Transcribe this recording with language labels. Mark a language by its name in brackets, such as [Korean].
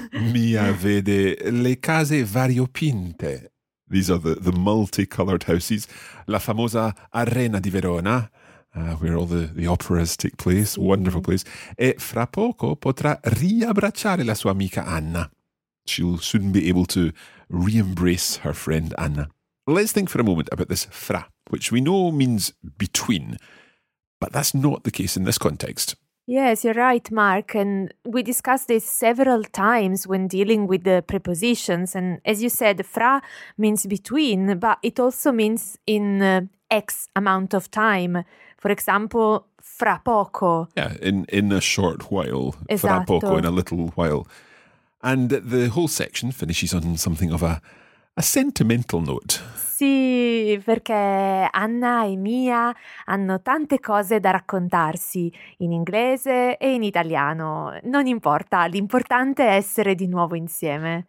[Italian] Mia vede le case variopinte. [English] These are the multicolored houses. [Italian] La famosa Arena di Verona. [English] Where all the operas take place, [Italian] sì. [English] Wonderful place. [Italian] E fra poco potrà riabbracciare la sua amica Anna. [English] She'll soon be able to re-embrace her friend Anna. Let's think for a moment about this fra, which we know means between, but that's not the case in this context. Yes, you're right, Mark. And we discussed this several times when dealing with the prepositions. And as you said, fra means between, but it also means in X amount of time. For example, [Italian] fra poco. [English] Yeah, in a short while. [Italian] Esatto. Fra poco, [English] in a little while. And the whole section finishes on something of a A sentimental note. [Italian] Sì, perché Anna e Mia hanno tante cose da raccontarsi, in inglese e in italiano. Non importa, l'importante è essere di nuovo insieme.